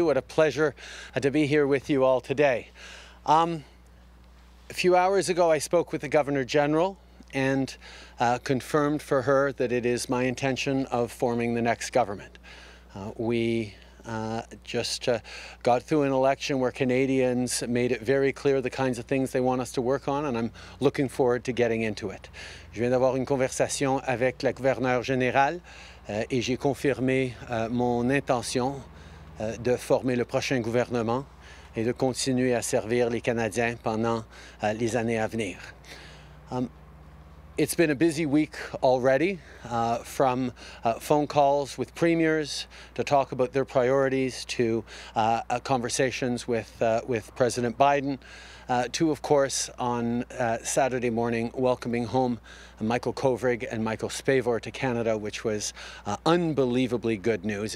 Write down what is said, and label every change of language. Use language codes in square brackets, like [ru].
[en] What a pleasure to be here with you all today. A few hours ago, I spoke with the Governor General and confirmed for her that it is my intention of forming the next government. We just got through an election where Canadians made it very clear the kinds of things they want us to work on, and I'm looking forward to getting into it. [fr] Je viens d'avoir une conversation avec le gouverneur général et j'ai confirmé mon intention de former le prochain gouvernement et de continuer à servir les Canadiens pendant les années à venir. [en] It's been a busy week already, from phone calls with premiers to talk about their priorities to conversations with President Biden, to, of course, on Saturday morning, welcoming home Michael Kovrig and Michael Spavor to Canada, which was unbelievably good news.